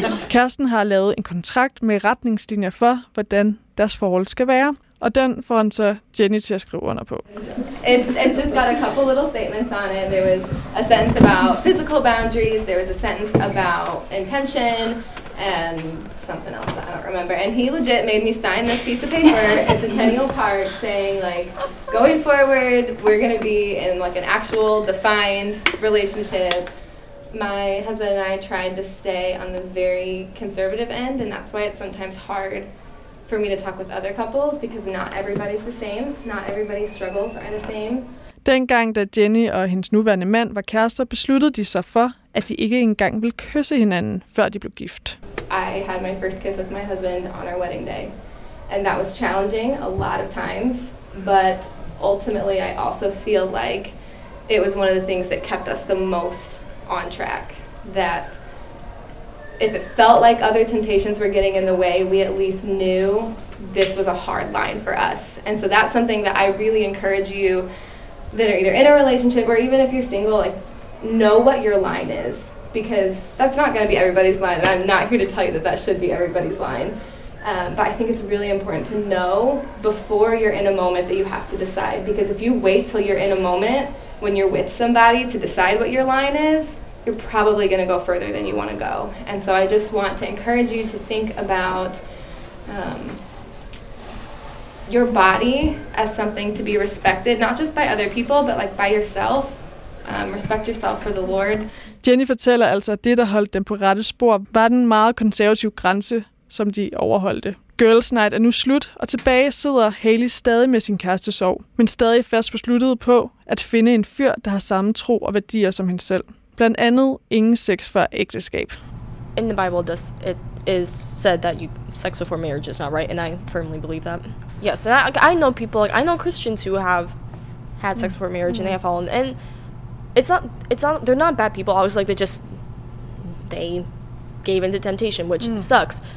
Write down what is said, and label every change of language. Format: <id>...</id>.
<da>Kirsten har lavet en kontrakt med retningslinjer for, hvordan deres forhold skal være. Og den får han så Jenny til at skrive under på.</da> <en>It's just got a couple little statements on it. There was a sentence about physical boundaries. There was a sentence about intention and something else that I don't remember. And he legit made me sign this piece of paper at Centennial Park saying, like, going forward, we're going to be in, like, an actual defined relationship. My husband and I tried to stay on the very conservative end, and that's why it's sometimes hard for me to talk with other couples, because not everybody's the same. Not everybody's struggles are the same.</en> <da>Dengang, da Jenny og hendes nuværende mand var kærester, besluttede de sig for, at de ikke engang ville kysse hinanden, før de blev gift.</da> <en>I had my first kiss with my husband on our wedding day, and that was challenging a lot of times, but ultimately I also feel like it was one of the things that kept us the most on track, that if it felt like other temptations were getting in the way, we at least knew this was a hard line for us. And so that's something that I really encourage you that are either in a relationship or even if you're single, like, know what your line is, because that's not going to be everybody's line, and I'm not here to tell you that that should be everybody's line. But I think it's really important to know before you're in a moment that you have to decide, because if you wait till you're in a moment when you're with somebody to decide what your line is, you're probably going to go further than you want to go. And so I just want to encourage you to think about your body as something to be respected, not just by other people, but like by yourself. Respect yourself for the Lord.</en> <da>Jenny fortæller altså, at det, der holdt dem på rette spor, var den meget konservative grænse, som de overholdte. Girls' Night er nu slut, og tilbage sidder Hayley stadig med sin kæreste sov, men stadig fast besluttet på at finde en fyr, der har samme tro og værdier som hende selv. Blandt andet ingen sex før ægteskab.</da> <en>In the Bible, it is said that you sex before marriage is not right, and I firmly believe that. Yes, and I know people, like I know Christians who have had sex before marriage, and they have fallen. And it's not they're not bad people. Obviously, like they gave into temptation, which sucks.</en>